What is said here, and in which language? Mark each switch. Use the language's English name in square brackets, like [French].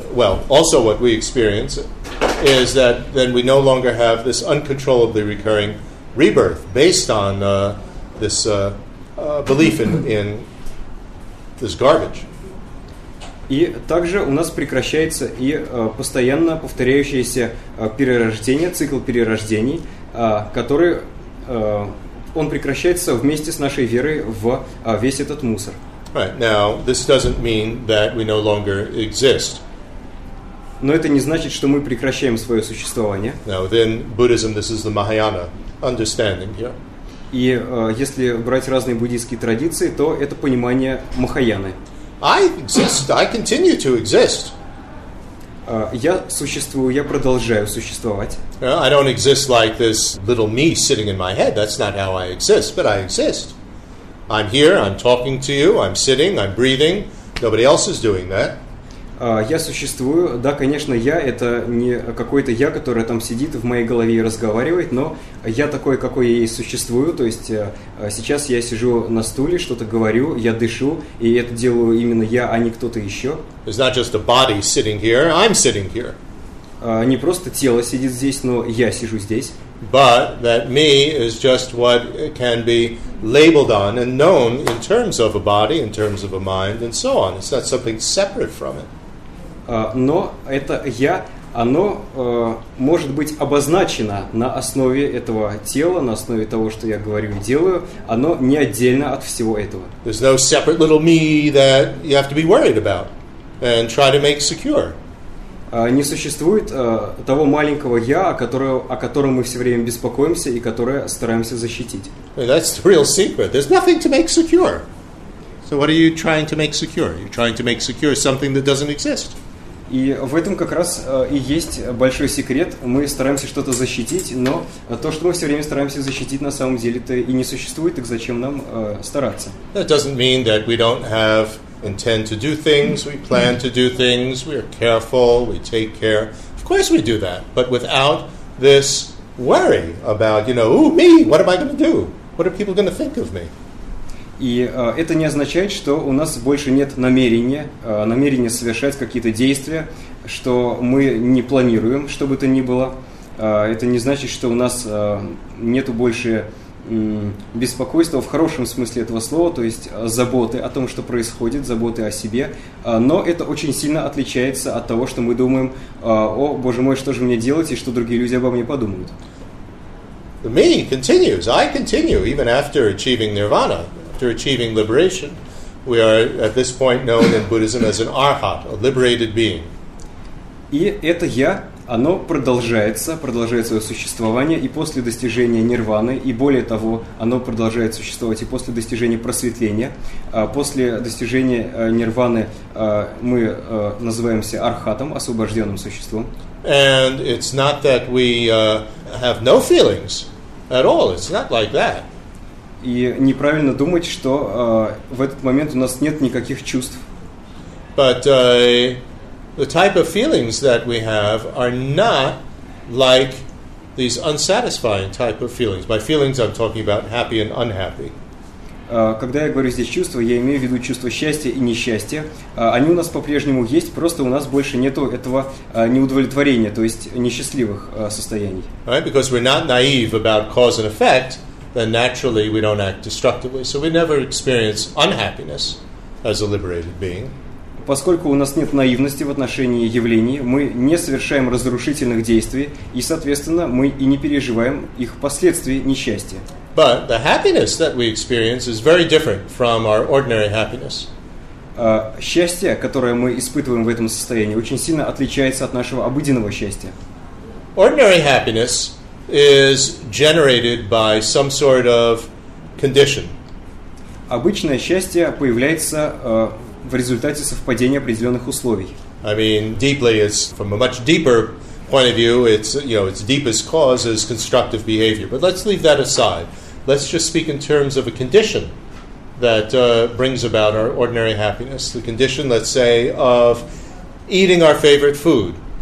[English] Well, also what we experience is that then we no longer have this uncontrollably recurring rebirth based on this belief in this garbage. [Russian] И также у нас прекращается и постоянно повторяющееся перерождение, цикл перерождений, который он прекращается вместе с нашей верой в весь этот мусор. [English] Right. Now, this doesn't mean that we no longer exist. [Russian] Но это не значит, что мы прекращаем свое существование. [English] Now, within Buddhism, this is the Mahayana understanding. Yeah. [Russian] И если брать разные буддийские традиции, то это понимание Махаяны. [English] I exist. I continue to exist. [Russian] Я существую. Я продолжаю существовать. [English] I don't exist like this little me sitting in my head. That's not how I exist. But I exist. I'm here. I'm talking to you. I'm sitting. I'm breathing. Nobody else is doing that. [Russian] Я существую. Да, конечно, я. Это не какой-то я, который там сидит в моей голове и разговаривает. Но я такой, какой я и существую. То есть сейчас я сижу на стуле, что-то говорю, я дышу. И это делаю именно я, а не кто-то еще. [English] It's not just a body sitting here. I'm sitting here. [Russian] Не просто тело сидит здесь, но я сижу здесь. [English] But that me is just what can be labeled on and known in terms of a body, in terms of a mind, and so on. It's not something separate from it. [Russian] Но это я, оно может быть обозначено на основе этого тела, на основе того, что я говорю и делаю, оно не отдельно от всего этого. [English] There's no separate little me that you have to be worried about and try to make secure. [Russian] Не существует того маленького я, о котором мы все время беспокоимся и которое стараемся защитить. [English] That's the real secret. There's nothing to make secure. So what are you trying to make secure? You're trying to make secure something that doesn't exist. [Russian] И в этом как раз и есть большой секрет. Мы стараемся что-то защитить, но то, что мы все время стараемся защитить, на самом деле-то и не существует, так зачем нам стараться? [English] That doesn't mean that we don't have intend to do things, we plan to do things, we are careful, we take care. Of course we do that, but without this worry about, you know, ooh, me, what am I going to do? What are people going to think of me? [Russian] И это не означает, что у нас больше нет намерения совершать какие-то действия, что мы не планируем, что бы то ни было. Это не значит, что у нас нету больше беспокойства в хорошем смысле этого слова, то есть заботы о том, что происходит, заботы о себе. Но это очень сильно отличается от того, что мы думаем, о, боже мой, что же мне делать и что другие люди обо мне подумают. [English] The me continues, I continue, even after achieving nirvana. After achieving liberation, we are at this point known in Buddhism as an arhat, a liberated being. [Russian] И это я, оно продолжает свое существование и после достижения нирваны, и более того, оно продолжает существовать и после достижения просветления. После достижения нирваны мы называемся архатом, освобожденным существом. [English] And it's not that we have no feelings at all. It's not like that. [Russian] И неправильно думать, что в этот момент у нас нет никаких чувств. [English] But the type of feelings that we have are not like these unsatisfying type of feelings. By feelings I'm talking about happy and unhappy. [Russian] Когда я говорю здесь чувства, я имею в виду чувство счастья и несчастья. Они у нас по-прежнему есть, просто у нас больше нету этого неудовлетворения, то есть несчастливых состояний. [English] Right? Because we're not naive about cause and effect. Then naturally we don't act destructively, so we never experience unhappiness as a liberated being. [Russian] Поскольку у нас нет наивности в отношении явлений, мы не совершаем разрушительных действий, и соответственно мы и не переживаем их последствий несчастья. [English] But the happiness that we experience is very different from our ordinary happiness. [Russian] Счастье, которое мы испытываем в этом состоянии, очень сильно отличается от нашего обыденного счастья. [English] Ordinary happiness is generated by some sort of condition. [Russian] Обычное счастье появляется в результате совпадения определенных условий. [English] I mean, deeply, it's from a much deeper point of view, it's, you know, its deepest cause is constructive behavior. But let's leave that aside. Let's just speak in terms of a condition that brings about our ordinary happiness. The condition, let's say, of eating our favorite food.